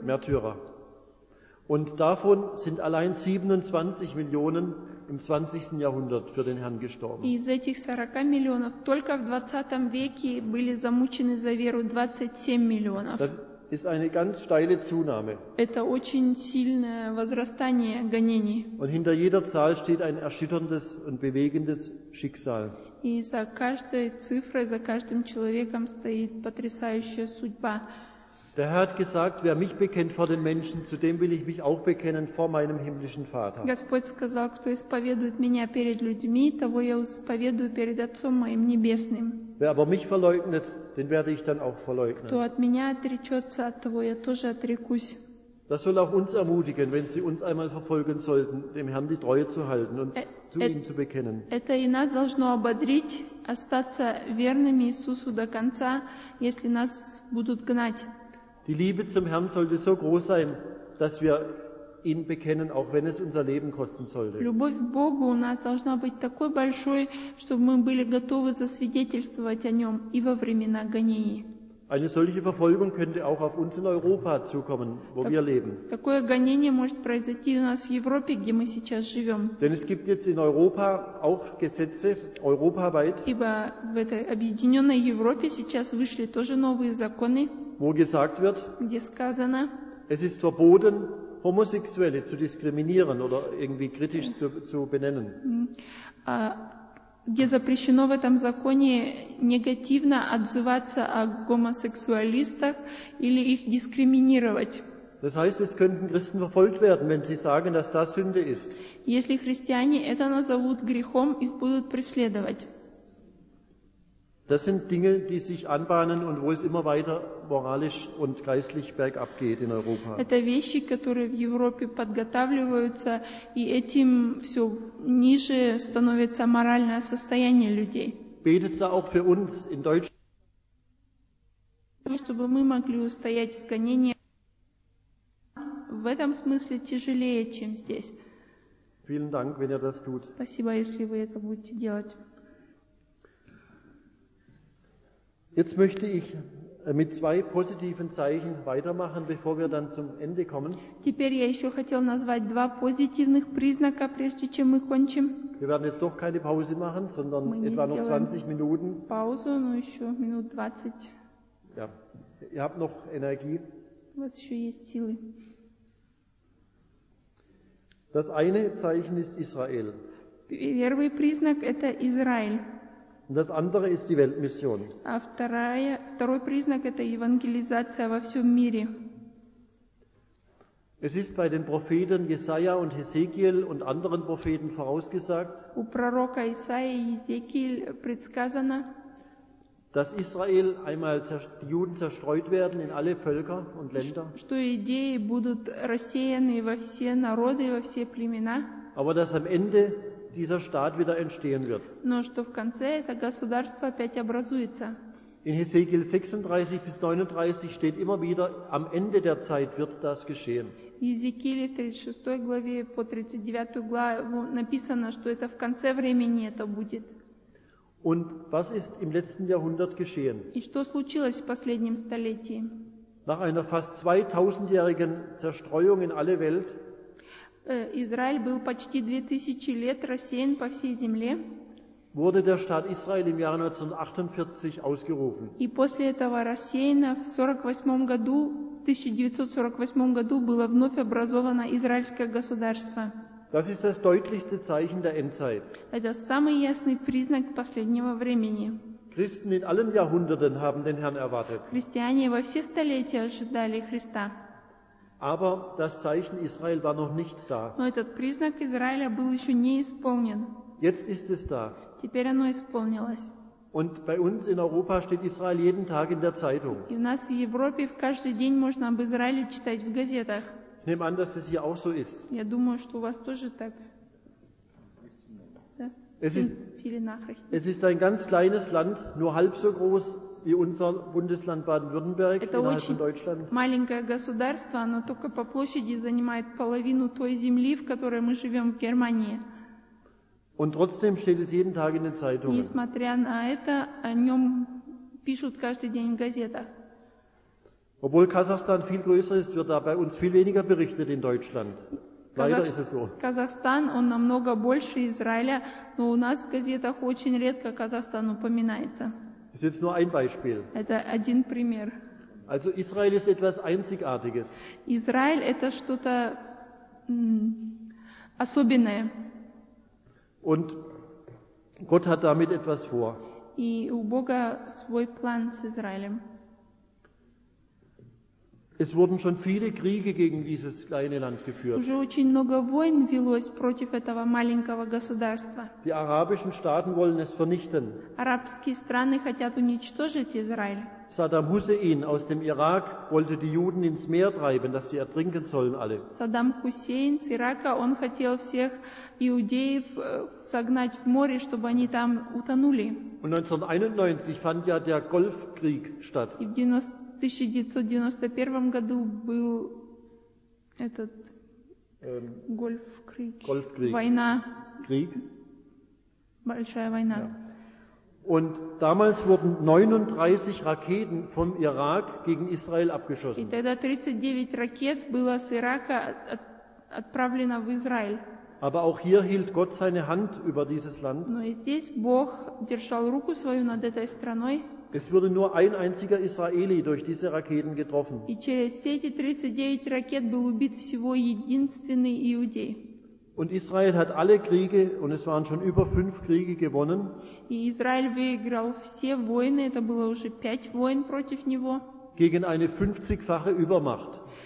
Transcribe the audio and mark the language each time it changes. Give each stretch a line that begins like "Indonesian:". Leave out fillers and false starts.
German: Märtyrer. Und davon sind allein 27 Millionen im 20. Jahrhundert für den Herrn gestorben.
Russian: Из этих 40 миллионов только в 20 веке были замучены за веру 27 миллионов.
German: Das ist eine ganz steile Zunahme.
Russian: Это очень сильное возрастание гонений.
German: Und hinter jeder Zahl steht ein erschütterndes und bewegendes Schicksal.
Russian: И за каждой цифрой, за каждым человеком стоит потрясающая судьба.
German: Der Herr hat gesagt, wer mich bekennt vor den Menschen, zu dem will ich mich auch bekennen vor meinem himmlischen Vater.
Russian: Господь сказал, кто исповедует меня перед людьми, того я исповедую перед Отцом моим небесным.
German: Wer aber mich verleugnet, den werde ich dann auch verleugnen.
Russian: Кто от меня отречется, от того я тоже отрекусь.
German: Das soll auch uns ermutigen, wenn sie uns einmal verfolgen sollten, dem Herrn die Treue zu halten und zu ihm zu bekennen.
Russian: Это и нас должно ободрить остаться верными Иисусу до конца, если нас будут гнать.
German: Die Liebe zum Herrn sollte so groß sein, dass wir ihn bekennen, auch wenn es unser Leben kosten sollte.
Russian: Любовь к Богу у нас должна быть такой большой, чтобы мы были готовы засвидетельствовать о нем и во времена гонений.
German: Eine solche Verfolgung könnte auch auf uns in Europa zukommen, wo wir leben.
Russian: Такое гонение может произойти у нас в Европе, где мы сейчас живем.
German: Denn es gibt jetzt in Europa auch Gesetze europaweit.
Russian: Ибо в этой объединенной Европе сейчас вышли тоже новые законы.
German: Wo gesagt wird,
Russian: где сказано,
German: es ist verboten, Homosexuelle zu diskriminieren oder irgendwie kritisch zu benennen.
Russian: Где запрещено в этом законе негативно отзываться о гомосексуалистах или их дискриминировать.
German: Das heißt, es könnten Christen verfolgt werden, wenn sie sagen, dass das Sünde ist.
Russian: Если христиане это назовут грехом, их будут преследовать.
German: Das sind Dinge, die sich anbahnen und wo es immer weiter moralisch und geistlich bergab geht in Europa.
Russian: Это вещи, которые в Европе подготавливаются, и этим все ниже становится моральное состояние людей.
German: Betet da auch für uns in Deutschland,
Russian: чтобы мы могли устоять в гонении. В этом смысле тяжелее, чем здесь.
German: Vielen Dank, wenn ihr das tut.
Russian: Спасибо, если вы это будете делать.
German: Jetzt möchte ich mit zwei positiven Zeichen weitermachen, bevor wir dann zum Ende kommen.
Russian: Теперь я еще хотел назвать два позитивных признака, прежде чем мы кончим.
German: Wir werden jetzt doch keine Pause machen, sondern etwa noch 20 Minuten.
Russian: Паузу, но еще минут 20.
German: Ja, ihr habt noch Energie.
Russian: У вас еще есть силы.
German: Das eine Zeichen ist Israel.
Russian: Первый признак – это Израиль.
German: Das andere ist die Weltmission.
Russian: А второй признак – это евангелизация во всем мире.
German: Es ist bei den Propheten Jesaja und Hesekiel und anderen Propheten vorausgesagt,
Russian: у пророка Исаии и Езекииля предсказано,
German: dass Israel einmal die Juden zerstreut werden in alle Völker und Länder.
Russian: Что иудеи будут рассеяны во все народы и во все племена.
German: Aber dass am Ende dieser Staat wieder entstehen wird.
Russian: Но что в конце это государство опять образуется.
German: In Hesekiel 36 bis 39 steht immer wieder: Am Ende der Zeit wird das geschehen.
Russian: В Езекииле 36 главе по 39 главу написано, что это в конце времени это будет.
German: Und was ist im letzten Jahrhundert geschehen?
Russian: И что случилось в последнем столетии?
German: Nach einer fast 2000-jährigen Zerstreuung in alle Welt.
Russian: Израиль был почти 2000 лет рассеян по всей земле.
German: Wurde der Staat Israel im Jahr 1948 ausgerufen.
Russian: И после этого рассеяния в 48 году, 1948 году было вновь образовано израильское государство.
German: Das ist das deutlichste Zeichen der Endzeit.
Russian: Это самый ясный признак последнего времени.
German: Christen in allen Jahrhunderten haben den Herrn erwartet.
Russian: Христиане во все столетия ожидали Христа.
German: Aber das Zeichen Israel war noch nicht da.
Russian: Но этот признак Израиля был еще не исполнен.
German: Jetzt ist es da.
Russian: Теперь оно исполнилось.
German: Und bei uns in Europa steht Israel jeden Tag in der Zeitung.
Russian: И у нас в Европе каждый день можно об Израиле читать в газетах.
German: Ich nehme an, dass das hier auch so ist.
Russian: Я думаю, что у вас тоже так.
German: Es ist ein ganz kleines Land, nur halb so groß wie unser Bundesland Baden-Württemberg innerhalb von Deutschland.
Russian: Маленькое государство, оно только по площади занимает половину той земли, в которой мы живем в Германии.
German: Und trotzdem steht es jeden Tag in den Zeitungen.
Russian: Несмотря на это, о нем пишут каждый день в газетах.
German: Obwohl Kasachstan viel größer ist, wird da bei uns viel weniger berichtet in Deutschland. Leider ist es so.
Russian: Kasachstan, он намного больше Израиля, но у нас в газетах очень редко Казахстан упоминается.
German: Das ist jetzt nur ein Beispiel.
Russian: Это один пример.
German: Also Israel ist etwas Einzigartiges.
Russian: Израиль это что-то особенное.
German: Und Gott hat damit etwas vor.
Russian: И у Бога свой план с Израилем.
German: Es wurden schon viele Kriege gegen dieses kleine Land geführt.
Russian: Уже очень много войн велось против этого маленького государства.
German: Die arabischen Staaten wollen es vernichten.
Russian: Арабские страны хотят уничтожить Израиль.
German: Saddam Hussein aus dem Irak wollte die Juden ins Meer treiben, dass sie ertrinken sollen alle.
Russian: Саддам Хусейн с Ирака, он хотел всех иудеев согнать в море, чтобы они там утонули.
German: Und 1991 fand ja der Golfkrieg statt.
Russian: В 1991 году был этот Гольфкрик, война,
German: Krieg.
Russian: Большая война. Ja.
German: Und damals wurden 39 Raketen vom Irak gegen Israel abgeschossen.
Russian: И тогда 39 ракет было с Ирака отправлено в Израиль.
German: Aber auch hier hielt Gott seine Hand über dieses Land.
Russian: Но и здесь Бог держал руку свою над этой страной.
German: Es wurde nur ein einziger Israeli durch diese Raketen getroffen.
Russian: И через все эти 39 ракет был убит всего единственный иудей.
German: Und Israel hat alle Kriege, und es waren schon über 5 Kriege gewonnen.
Russian: И Израиль выиграл все войны, это было уже 5 войн против него.
German: Gegen eine 50-fache Übermacht.